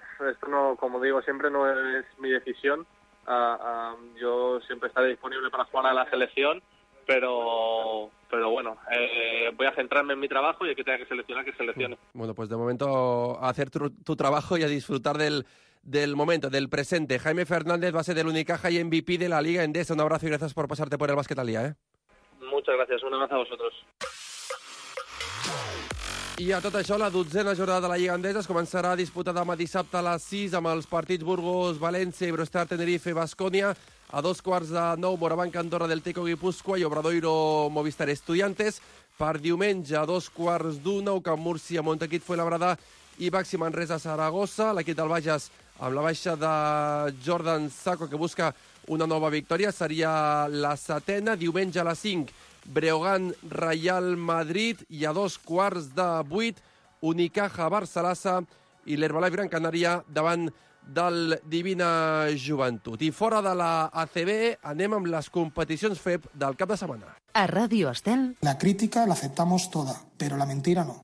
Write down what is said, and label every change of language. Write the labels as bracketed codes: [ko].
[es] Esto, no, como digo siempre, no es mi decisión. Yo siempre estaré disponible para jugar a la selección, pero bueno, voy a centrarme en mi trabajo y el que tenga que seleccionar, que seleccione. Bueno, pues de momento a hacer tu trabajo y a disfrutar del momento, del presente. Jaime Fernández, base del Unicaja y MVP de la Liga Endesa. Un abrazo y gracias por pasarte por el Básquet al Día, ¿eh? Muchas gracias. Un abrazo a vosotros. [ca] I a tot això, la dotzena jornada de la Lliga Endesa es començarà disputada demà dissabte a les 6 amb els partits Burgos, València, Eurostar, Tenerife, Baskonia. A dos quarts de nou, Morabanc, Andorra, Delteco, Guipúscoa i Obradoiro, Movistar, Estudiantes. Per diumenge, a dos quarts d'una, Camp Múrcia, Montequit, Fuenlabrada i Baxi Manresa, Saragossa. L'equip del Bages, amb la baixa de Jordan Sacco, que busca una nova victòria, seria la setena. Diumenge a les 5, Breogán, Real Madrid. I a dos quarts de vuit, Unicaja, Barcelona i l'Herbalife Gran Canària davant del Divina Joventut. I fora de la ACB anem amb les competicions FEB del cap de setmana. A Radio Estel. [es] La crítica la aceptamos toda, pero la mentira no.